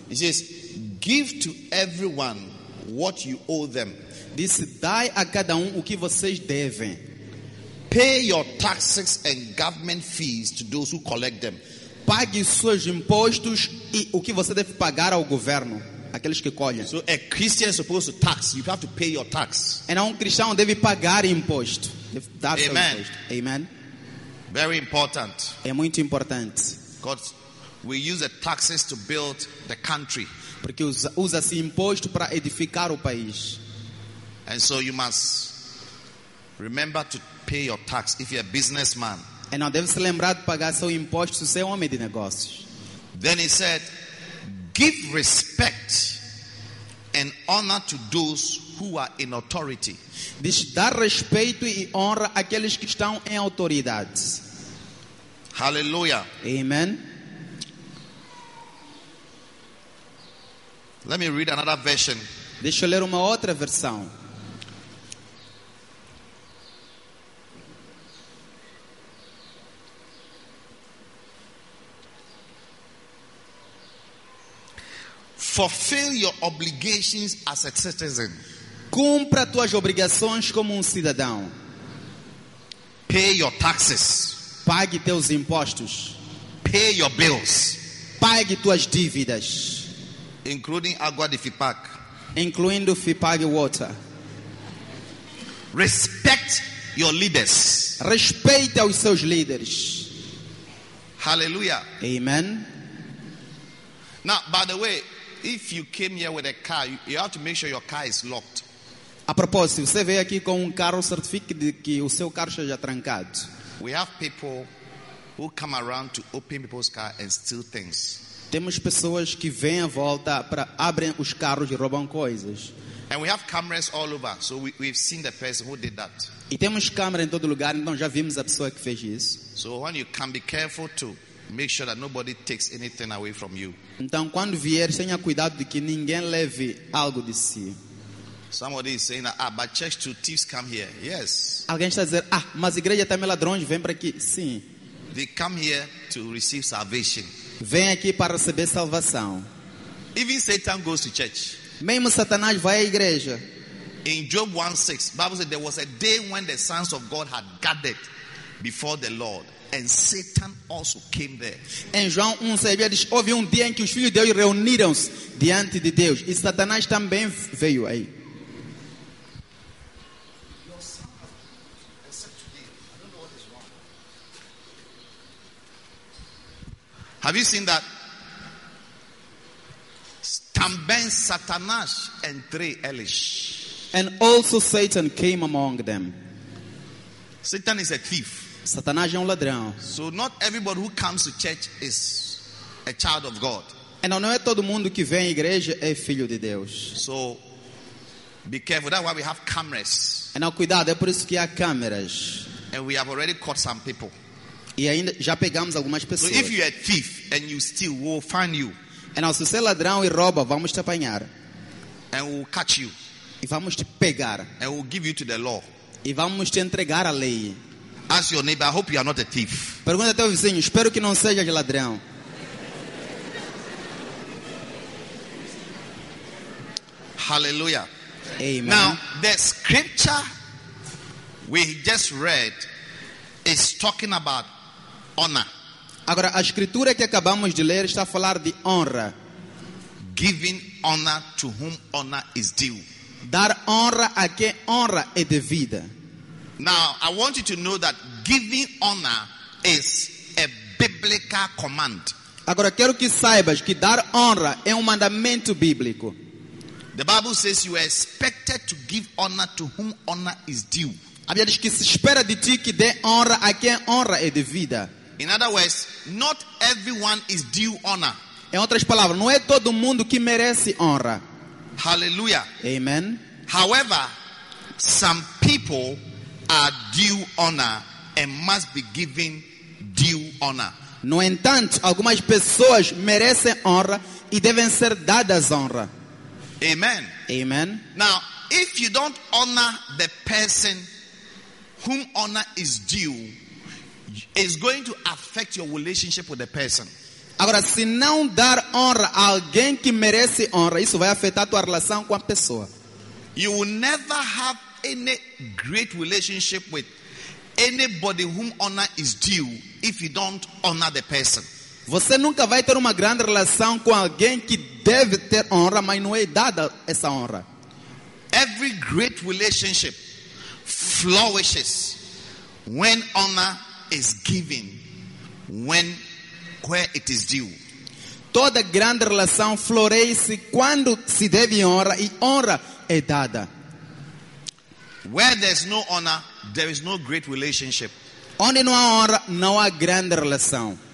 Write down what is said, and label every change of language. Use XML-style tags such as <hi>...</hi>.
<en>It says, give to everyone what you owe them.</en> <pt>Diz, dai a cada o que vocês devem.</pt> <en>Pay your taxes and government fees to those who collect them.</en> <pt>Pague seus impostos e o que você deve pagar ao governo, aqueles que colhem.</pt> <en>So a Christian is supposed to tax. You have to pay your tax.</en> <pt>And um cristão deve pagar imposto. Deve dar</pt> <en>Amen.</en> <pt>Imposto. Amen.</pt> <en>Very important.</en> <pt>É muito importante.</pt> <en>Because we use the taxes to build the country.</en> <pt>Porque usa-se imposto para edificar o país.</pt> <en>And so you must remember to pay your tax if you're a businessman.</en> <pt>E não deve se lembrar de pagar seu imposto se você é homem de negócios.</pt> <en>Then he said, give respect and honor to those who are in authority.</en> <pt>Diz, dar respeito e honra àqueles que estão em autoridade.</pt> <en>Hallelujah.</en> <pt>Amen.</pt> <en>Let me read another version.</en> <pt>Deixa eu ler uma outra versão.</pt> <en>Fulfill your obligations as a citizen.</en> <pt>Cumpra tuas obrigações como cidadão.</pt> <en>Pay your taxes.</en> <pt>Pague teus impostos.</pt> <en>Pay your bills.</en> <pt>Pague tuas dívidas.</pt> <en>Including</en> <pt>água de</pt> <en>Fipac.</en> <pt>Incluindo Fipac water.</pt> <en>Respect your leaders.</en> <pt>Respeite os seus líderes.</pt> <en>Hallelujah.</en> <pt>Amen.</pt> <en>Now, by the way, if you came here with a car, you have to make sure your car is locked.</en> <pt>A propósito, se você veio aqui com carro, certifique de que o seu carro esteja trancado.</pt> <en>We have people who come around to open people's car and steal things.</en> <pt>Temos pessoas que vêm à volta para abrem os carros e roubam coisas.</pt> <en>And we have cameras all over, so we've seen the person who did that.</en> <pt>E temos câmera em todo lugar, então já vimos a pessoa que fez isso.</pt> <en>So when you come, be careful to make sure that nobody takes anything away from you.</en> <pt>Então quando vier, tenha cuidado de que ninguém leve algo de si.</pt> <en>Somebody is saying that, but church too, thieves come here. Yes.</en> <pt>Alguém está dizendo, mas igreja também ladrões vem para aqui. Sim.</pt> <en>They come here to receive salvation.</en> <pt>Vem aqui para receber salvação.</pt> <en>Even Satan goes to church.</en> <pt>Mesmo Satanás vai à igreja.</pt> <en>In Job 1:6, Bible said there was a day when the sons of God had gathered before the Lord, and Satan also came there.</en> <pt>Em João 1:6 diz, houve dia em que os filhos de Deus reuniram-se diante de Deus, e Satanás também veio aí.</pt> <en>Have you seen that?</en> <pt>Também Satanás entre eles.</pt> <en>And also Satan came among them. Satan is a thief.</en> <pt>Satanás é ladrão.</pt> <en>So not everybody who comes to church is a child of God.</en> <pt>E não é todo mundo que vem à igreja é filho de Deus.</pt> <en>So be careful. That's why we have cameras.</en> <pt>E não, cuidado, é por isso que há câmeras.</pt> <en>And we have already caught some people.</en> <pt>E ainda já pegamos algumas pessoas.</pt> <en>So if you're a thief and you steal, we'll find you.</en> <pt>E não, se você é ladrão e rouba, vamos te apanhar.</pt> <en>And we'll catch you.</en> <pt>E vamos te pegar.</pt> <en>And we'll give you to the law.</en> <pt>E vamos te entregar a lei.</pt> <en>Ask your neighbor, I hope you are not a thief.</en> <pt>Pergunta ao teu vizinho, espero que não seja de ladrão.</pt> <en>Hallelujah.</en> <pt>Amen.</pt> <en>Now, the scripture we just read is talking about honor.</en> <pt>Agora, a escritura que acabamos de ler está a falar de honra.</pt> <en>Giving honor to whom honor is due.</en> <pt>Dar honra a quem honra é devida.</pt> <en>Now, I want you to know that giving honor is a biblical command.</en> <pt>Agora, quero que saibas que dar honra é mandamento bíblico.</pt> <en>The Bible says you are expected to give honor to whom honor is due.</en> <pt>A Bíblia diz que se espera de ti que dê honra a quem honra é devida.</pt> <en>In other words, not everyone is due honor.</en> <pt>Em outras palavras, não é todo mundo que merece honra.</pt> <en>Hallelujah.</en> <pt>Amen.</pt> <en>However, some people are due honor and must be given due honor.</en> <pt>No entanto, algumas pessoas merecem honra e devem ser dadas honra.</pt> <en>Amen.</en> <pt>Amen.</pt> <en>Now, if you don't honor the person whom honor is due, is going to affect your relationship with the person.</en> <pt>Agora, se não dar honra a alguém que merece honra, isso vai afetar tua relação com a pessoa.</pt> <en>You will never have any great relationship with anybody whom honor is due if you don't honor the person.</en> <pt>Você nunca vai ter uma grande relação com alguém que deve ter honra, mas não é dada essa honra.</pt> <en>Every great relationship flourishes when honor is given, when where it is due.</en> <pt>Toda grande relação floresce quando se deve honra e honra é dada.</pt> <en>Where there's no honor, there is no great relationship.</en> <pt>Onde não há honra, não há grande relação.</pt>